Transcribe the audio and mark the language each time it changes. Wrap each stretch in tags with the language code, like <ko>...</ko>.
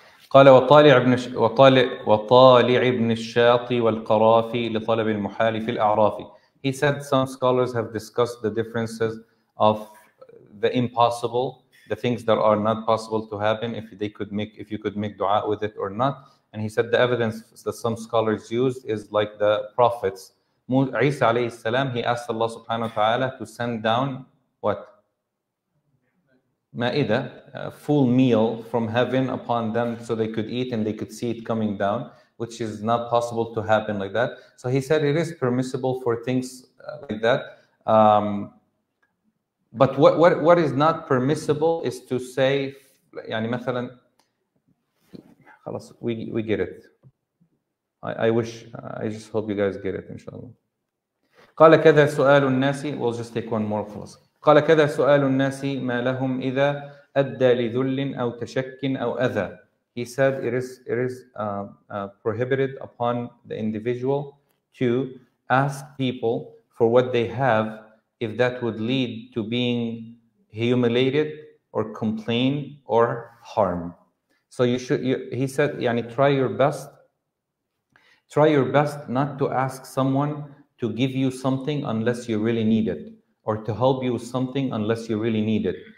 <ar>قال وطالع ابن الشاطي والقرافي لطلب المحال في الأعراف.</ar> <en>He said some scholars have discussed the differences of the impossible, the things that are not possible to happen, if you could make dua with it or not. And he said the evidence that some scholars used is like the prophets.</en> <ar>عيسى عليه السلام,</ar> <en>he asked Allah subhanahu wa ta'ala to send down what? Ma'ida, a full meal from heaven upon them so they could eat and they could see it coming down, which is not possible to happen like that. So he said it is permissible for things like that. But what is not permissible is to say,</en> <ar>يعني مثلا, خلاص,</ar> <en>we get it. I just hope you guys get it, inshallah.</en> <ar>قال كذا سؤال الناس,</ar> <en>we'll just take one more</en> <ar>خلاص. قال كذا سؤال الناس ما لهم إذا أدى لذل أو تشك أو أذى.</ar> <en>He said it is prohibited upon the individual to ask people for what they have if that would lead to being humiliated or complain or harm. So he said, يعني try your best not to ask someone to give you something unless you really need it, or to help you with something unless you really need it.</en>